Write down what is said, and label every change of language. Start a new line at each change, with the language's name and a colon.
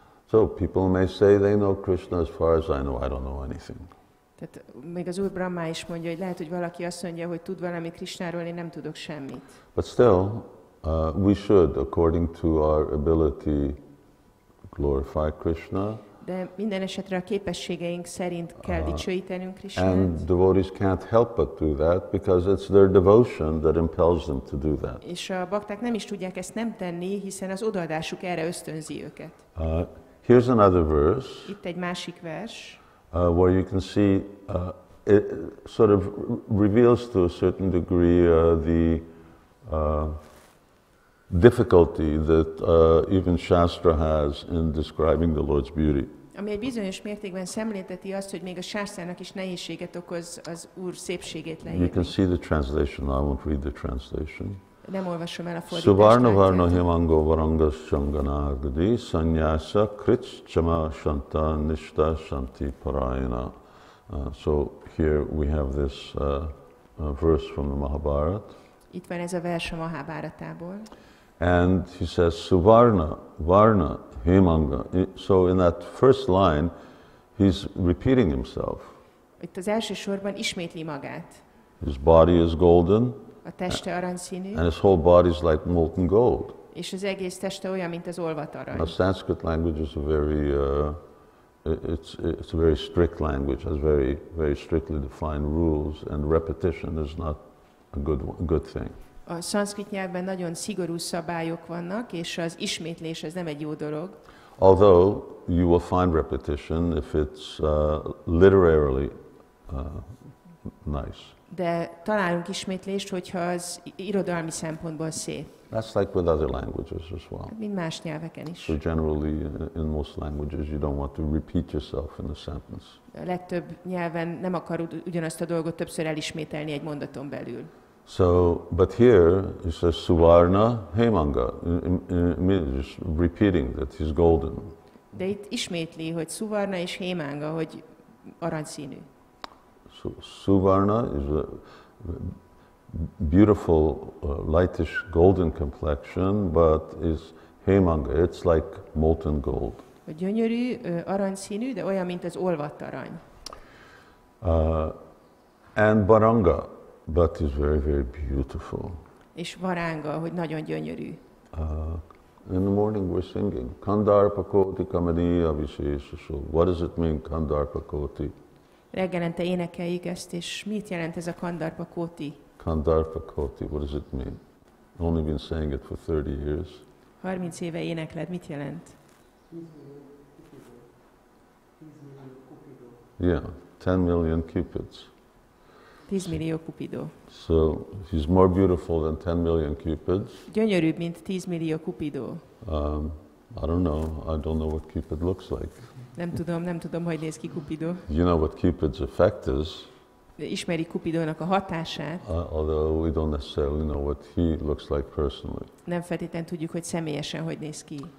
English: So people may say they know Krishna. As far as I know, I don't know anything.
Hungarian: Tehát még az Úr Brahma is mondja, hogy lehet, hogy valaki azt mondja, hogy tud valami Krishnáról, én nem tudok semmit.
English: But still, we should, according to our ability, glorify Krishna.
Hungarian: De minden esetre a képességeink szerint kell dicsőítenünk Krisnát.
English: And devotees can't help but do that because it's their devotion that impels them to do that.
Hungarian: És a bakták nem is tudják ezt nem tenni, hiszen az odaadásuk erre ösztönzi őket.
English: Here's another verse.
Hungarian: Itt egy másik vers.
English: Where you can see it sort of reveals to a certain degree the difficulty that even Shastra has in describing the Lord's beauty.
Hungarian: Ami egy bizonyos mértékben szemlélteti azt, hogy még a Shastrának is nehézséget okoz az Úr szépségét leírni.
English: You can see the translation. I won't read the translation.
Hungarian: Nem olvasom el a fordítást.
Sanskrit: Suvarna varna himango varanga shangana agdi sanyasa krits chama shanta nishta shanti parayana.
English: So here we have this verse from the Mahabharata.
Hungarian: Itt van ez a vers a Mahabharatából.
English: And he says suvarna, varna, himanga. So in that first line, he's repeating himself.
Hungarian: Itt az első sorban ismétli magát.
English: His body is golden.
Hungarian: A teste aranyszínű.
English: And his whole body is like molten gold.
Hungarian: És az egész teste olyan, mint az olvat arany.
English: The Sanskrit language is a very, it's a very strict language. Has very, very strictly defined rules, and repetition is not a good thing.
Hungarian: A szanszkrit nyelvben nagyon szigorú szabályok vannak, és az ismétlés ez nem egy jó dolog.
English: Although you will find repetition if it's literally nice.
Hungarian: De találunk ismétlést, hogyha az irodalmi szempontból szép.
English: That's like with other languages as well.
Hungarian: Mind más nyelveken is.
English: So generally in most languages you don't want to repeat yourself in a sentence.
Hungarian: A legtöbb nyelven nem akarod ugyanazt a dolgot többször elismételni egy mondaton belül.
English: So, but here he says suvarna hemanga, just repeating that he's golden.
Hungarian: De itt ismétli, hogy suvarna és hemanga, hogy aranyszínű.
English: So suvarna is a beautiful lightish golden complexion, but is hemanga, it's like molten gold.
Hungarian: A gyönyörű aranyszínű, de olyan, mint az olvadt arany.
English: And baranga. But is very, very beautiful.
Hungarian: És varánga, hogy nagyon gyönyörű.
English: In the morning we're singing.
Sanskrit: Kandarpa koti kamani avisesa.
English: So what does it mean, kandarpa koti?
Hungarian: Reggelente énekeljük ezt, és mit jelent ez a kandarpa koti?
English: Kandarpa Koti, what does it mean? I've only been saying it for 30 years.
Hungarian: 30 éve énekled, mit jelent?
English: Yeah, 10 million cupids.
Hungarian: 10 millió cupido.
English: So he's more beautiful than 10 million cupids.
Hungarian: Gyönyörűbb, mint 10 millió cupido.
English: I don't know what cupid looks like.
Hungarian: Nem tudom, hogy néz ki cupido.
English: You know what cupid's effect is.
Hungarian: Ismeri Cupidónak a hatását.
English: Although we don't necessarily know what he looks like personally.
Hungarian: Nem feltétlenül tudjuk, hogy személyesen hogy néz ki.